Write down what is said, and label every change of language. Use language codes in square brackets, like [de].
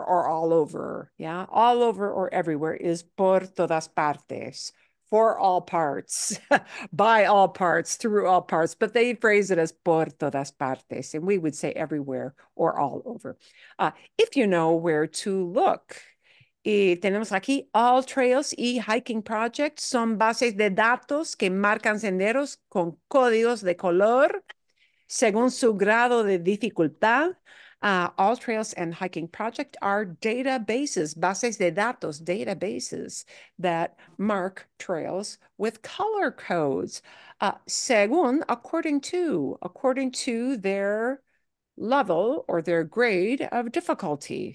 [en] or all over. Yeah, all over or everywhere is [es] por todas partes, [en] for all parts, by all parts, through all parts. But they phrase it as [es] por todas partes, [en] and we would say everywhere or all over. If you know where to look. [es] Y tenemos aquí, all trails y hiking projects son bases de datos que marcan senderos con códigos de color según su grado de dificultad. [en] All trails and hiking projects are databases, [es] bases de datos, [en] databases that mark trails with color codes. According to their level or their grade of difficulty.